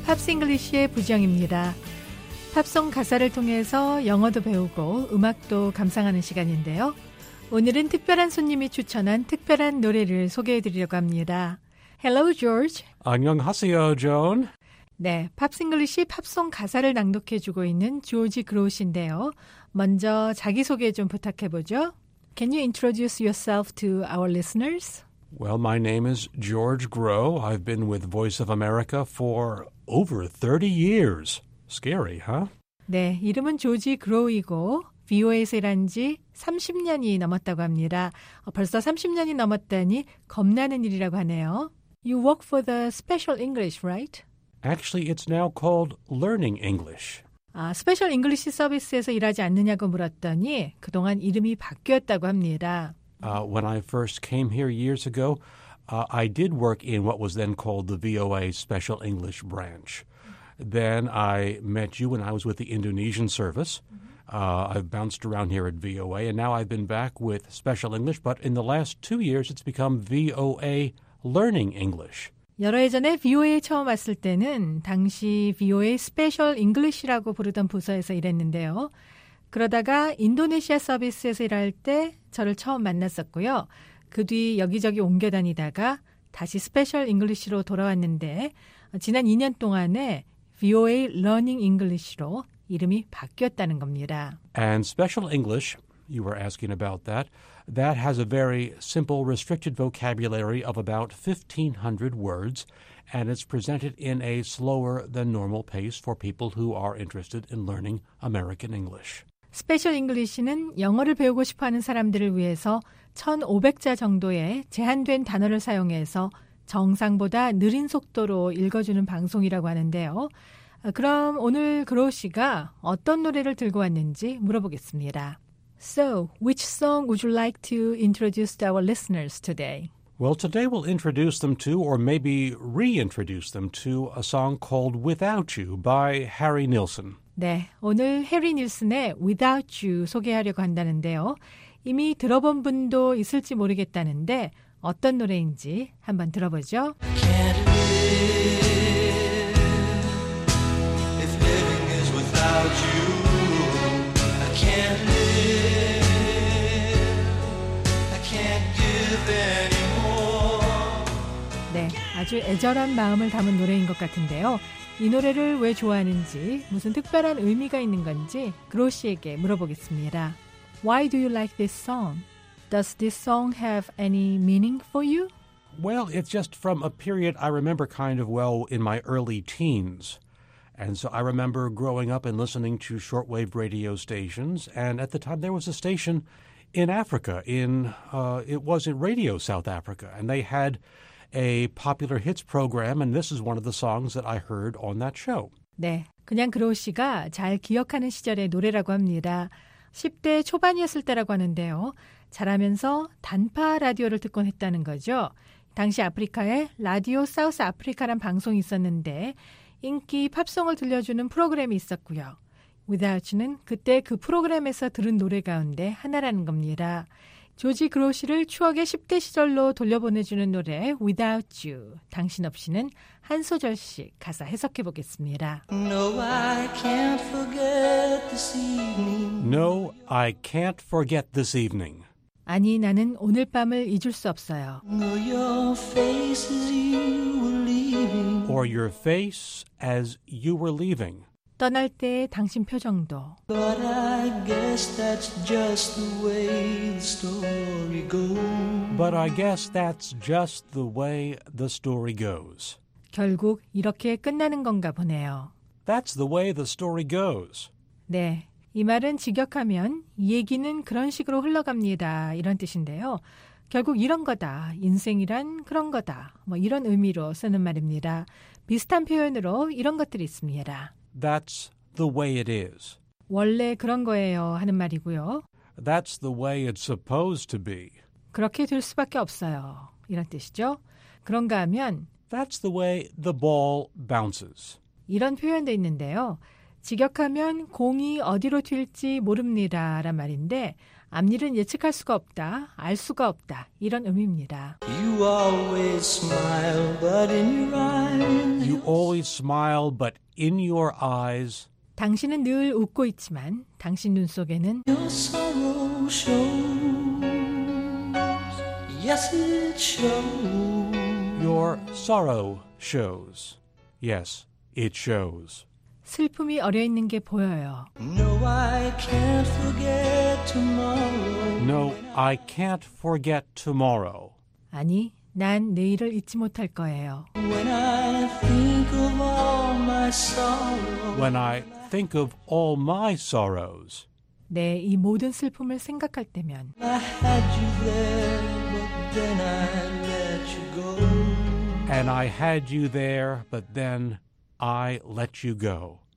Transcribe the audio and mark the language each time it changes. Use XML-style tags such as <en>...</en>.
<ko>팝스 잉글리쉬의 부정입니다. 팝송 가사를 통해서 영어도 배우고 음악도 감상하는 시간인데요. 오늘은 특별한 손님이 추천한 특별한 노래를 소개해드리려고 합니다.</ko> <en>Hello, George.</en> <ko>안녕하세요, John. 네, 팝스 잉글리쉬 팝송 가사를 낭독해주고 있는 조지 그로우시인데요. 먼저 자기소개 좀 부탁해보죠.</ko> <en>Can you introduce yourself to our listeners? Well, my name is George Grow. I've been with Voice of America for over 30 years. Scary, huh?</en> <ko>네, 이름은 조지 그로우이고 VOA에서 일한 지 30년이 넘었다고 합니다. 벌써 30년이 넘었다니 겁나는 일이라고 하네요.</ko> <en>You work for the Special English, right? Actually, it's now called Learning English.</en> <ko>아, 스페셜 잉글리시 서비스에서 일하지 않느냐고 물었더니 그동안 이름이 바뀌었다고 합니다.</ko> <en>When I first came here years ago, I did work in what was then called the VOA Special English Branch. Then I met you when I was with the Indonesian service. I've bounced around here at VOA, and now I've been back with Special English, but in the last 2 years, it's become VOA Learning English.</en> <ko>여러 해 전에 VOA에 처음 왔을 때는 당시 VOA 스페셜 잉글리시라고 부르던 부서에서 일했는데요. 그러다가 인도네시아 서비스에서 일할 때 저를 처음 만났었고요. 그 뒤 여기저기 옮겨 다니다가 다시 스페셜 잉글리시로 돌아왔는데 지난 2년 동안에 VOA 러닝 잉글리시로 이름이 바뀌었다는 겁니다.</ko> <en>And special English you were asking about that. That has a very simple, restricted vocabulary of about 1,500 words, and it's presented in a slower-than-normal pace for people who are interested in learning American English.</en> <ko>Special English는 영어를 배우고 싶어하는 사람들을 위해서 1,500자 정도의 제한된 단어를 사용해서 정상보다 느린 속도로 읽어주는 방송이라고 하는데요. 그럼 오늘 그로우 씨가 어떤 노래를 들고 왔는지 물어보겠습니다.</ko> <en>So, which song would you like to introduce to our listeners today? Well, today we'll introduce them to, or maybe reintroduce them to, a song called Without You by Harry Nilsson.</en> <ko>네, 오늘 해리 닐슨의 Without You 소개하려고 한다는데요. 이미 들어본 분도 있을지 모르겠다는데 어떤 노래인지 한번 들어보죠.</ko> <en>Can't live if living is without you. I can't live. I can't give anymore.</en> <ko>네, 아주 애절한 마음을 담은 노래인 것 같은데요. 이 노래를 왜 좋아하는지, 무슨 특별한 의미가 있는 건지 그로우 씨에게 물어보겠습니다.</ko> <en>Why do you like this song? Does this song have any meaning for you? Well, it's just from a period I remember kind of well in my early teens. And so I remember growing up and listening to shortwave radio stations. And at the time there was a station in Africa, it was in Radio South Africa. And they had a popular hits program, and this is one of the songs that I heard on that show.</en> <ko>네, 그냥 그로우 씨가 잘 기억하는 시절의 노래라고 합니다. 10대 초반이었을 때라고 하는데요. 자라면서 단파 라디오를 듣곤 했다는 거죠. 당시 아프리카에 라디오 사우스 아프리카란 방송이 있었는데 인기 팝송을 들려주는 프로그램이 있었고요. Without You는 그때 그 프로그램에서 들은 노래 가운데 하나라는 겁니다. 조지 그로우 씨를 추억의 10대 시절로 돌려보내주는 노래 Without You, 당신 없이는 한 소절씩 가사 해석해 보겠습니다.</ko> <en>No, I can't forget this evening. No, I can't forget this evening.</en> <ko>아니, 나는 오늘 밤을 잊을 수 없어요.</ko> <en>No, your face as you were leaving. Or your face as you were leaving.</en> <ko>떠날 때 당신 표정도.</ko> <en>But I guess that's just the way the story goes. But I guess that's just the way the story goes.</en> <ko>결국 이렇게 끝나는 건가 보네요.</ko> <en>That's the way the story goes.</en> <ko>네, 이 말은 직역하면 얘기는 그런 식으로 흘러갑니다. 이런 뜻인데요. 결국 이런 거다. 인생이란 그런 거다. 뭐 이런 의미로 쓰는 말입니다. 비슷한 표현으로 이런 것들이 있습니다.</ko> <en>That's the way it is.</en> <ko>원래 그런 거예요 하는 말이고요.</ko> <en>That's the way it's supposed to be.</en> <ko>그렇게 될 수밖에 없어요. 이런 뜻이죠. 그런가 하면</ko> <en>That's the way the ball bounces.</en> <ko>이런 표현도 있는데요. 직역하면 공이 어디로 튈지 모릅니다란 말인데 앞일은 예측할 수가 없다, 알 수가 없다 이런 의미입니다.</ko> <en>You always smile, but in your eyes. You always smile, but in your eyes.</en> <ko>당신은 늘 웃고 있지만 당신 눈 속에는.</ko> <en>Your sorrow shows. Yes, it shows. Your sorrow shows. Yes, it shows.</en> <ko>슬픔이 어려 있는 게 보여요.</ko> <en>No, I can't forget tomorrow. No, I can't forget tomorrow.</en> <ko>아니, 난 내일을 잊지 못할 거예요.</ko> <en>When I think of all my sorrows. When I think of all my sorrows.</en> <ko>네, 이 모든 슬픔을 생각할 때면.</ko> <en>I had you there, but then I let you go. And I had you there, but then I let you go.</en>